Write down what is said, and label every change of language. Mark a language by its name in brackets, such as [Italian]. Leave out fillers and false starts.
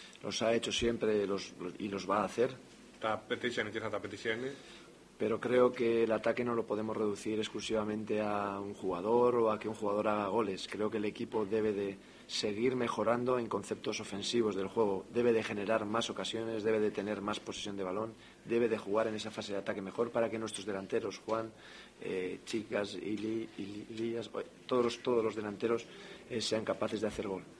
[Spanish] Los ha hecho siempre y los va a hacer. [Greek] Τα πετυχαίνει και θα τα πετυχαίνει. [Spanish] Pero creo que el ataque no lo podemos reducir exclusivamente a un jugador o a que un jugador haga goles. Creo que el equipo debe de seguir mejorando en conceptos ofensivos del juego. Debe de generar más ocasiones, debe de tener más posesión de balón, debe de jugar en esa fase de ataque mejor para que nuestros delanteros, Juan, Chicas, Ilias, todos los delanteros sean capaces de hacer gol.